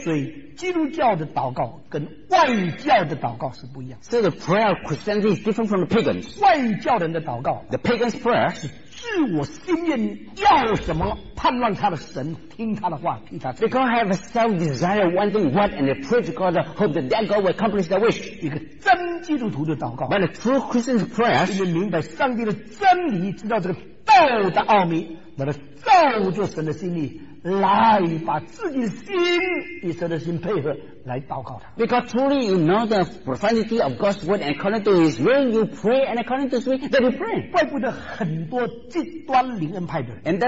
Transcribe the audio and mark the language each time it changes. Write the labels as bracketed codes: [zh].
[zh] 所以基督教的祷告跟外教的祷告是不一样。 [en] So the prayer of Christianity is different from the pagans. [zh] 外教人的祷告， [en] the pagans' prayer. [zh] 是我心愿要什么，盼望他的神听他的话，替他。 [en] Because I have a self desire, wanting what, and a prayer to God, hope that that God will accomplish that wish. [zh] 一个真基督徒的祷告。 [en] But a true Christian's prayer. [zh] 因为明白上帝的真理，知道这个道的奥秘，把它照着神的心意来，把自己的心与神的心配合。来祷告他。 [en] Because truly you know the profundity of God's word and according to His will, you pray and according to His will, then you pray. [zh] 怪不得很多极端灵恩派的人。